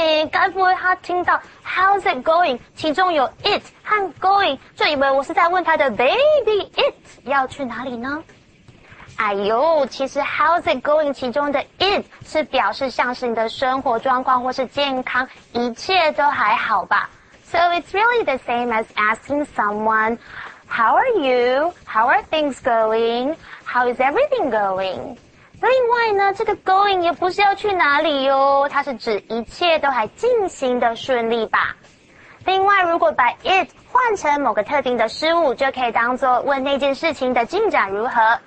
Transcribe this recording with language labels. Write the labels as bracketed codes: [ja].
[zh] 该不会他听到 [en] How's it going? [zh] 其中有 it 和 going 就以为我是在问他的 baby it 要去哪里呢？哎呦，其实 [en] How's it going? [zh] 其中的 it 是表示像是你的生活状况或是健康一切都还好吧。 [en] So it's really the same as asking someone How are you? How are things going? How is everything going? [zh] 另外呢，这个 going 也不是要去哪里哟、哦，它是指一切都还进行的顺利吧。另外，如果把 it 换成某个特定的事物，就可以当作问那件事情的进展如何。